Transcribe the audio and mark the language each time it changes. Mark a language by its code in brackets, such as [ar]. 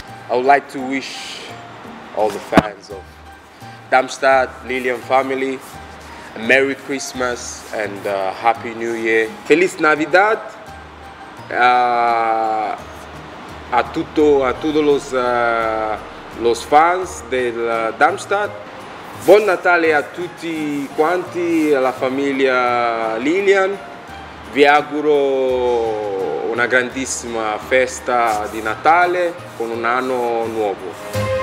[en] I would like to wish all the fans of Darmstadt, Lilian family, a Merry Christmas and a Happy New Year. [es] Feliz Navidad a todos los fans del Darmstadt. [it] Buon Natale a tutti quanti, alla famiglia Lilian. Vi auguro una grandissima festa di Natale con un anno nuovo.